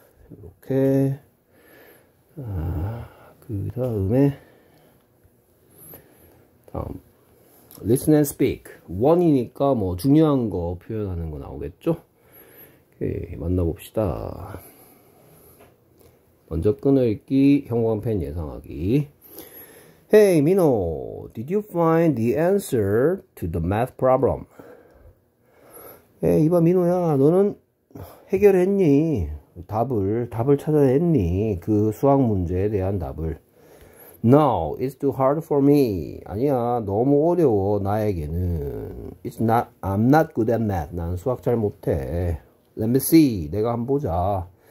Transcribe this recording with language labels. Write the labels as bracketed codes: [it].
[ko] 이렇게. 아, 그 다음에 다음. [en] Listen and speak. [ko] One이니까 뭐 중요한 거 표현하는 거 나오겠죠? 오케이, 만나봅시다. 먼저 끊을기, 형광펜 예상하기. [en] Hey, Mino, did you find the answer to the math problem? [ko] 이봐, 민호야, 너는 해결했니? 답을 찾아냈니? 그 수학 문제에 대한 답을. [en] No, it's too hard for me. [ko] 아니야, 너무 어려워, 나에게는. [en] I'm not good at math. [ko] 난 수학 잘 못해. [en] Let me see. [ko] 내가 한번 보자.